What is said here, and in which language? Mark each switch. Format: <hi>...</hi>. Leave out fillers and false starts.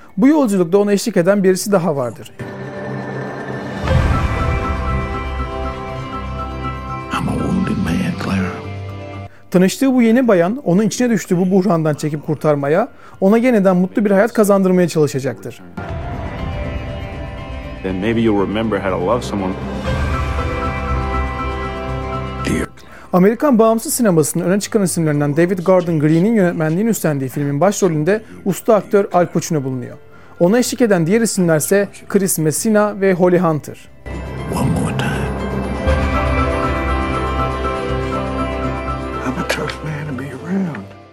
<tr>Bu yolculukta ona eşlik eden birisi daha vardır.</tr> <en>I'm a wounded man, Clara.</en> <tr>Tanıştığı bu yeni bayan, onun içine düştüğü bu buhrandan çekip kurtarmaya, ona yeniden mutlu bir hayat kazandırmaya çalışacaktır.</tr> <en>Then maybe you'll remember how to love someone.</en> <tr>Amerikan bağımsız sinemasının öne çıkan isimlerinden David Gordon Green'in yönetmenliğini üstlendiği filmin başrolünde usta aktör Al Pacino bulunuyor. Ona eşlik eden diğer isimlerse Chris Messina ve Holly Hunter.</tr> <en>one more time. I'm a tough man to be around.</en>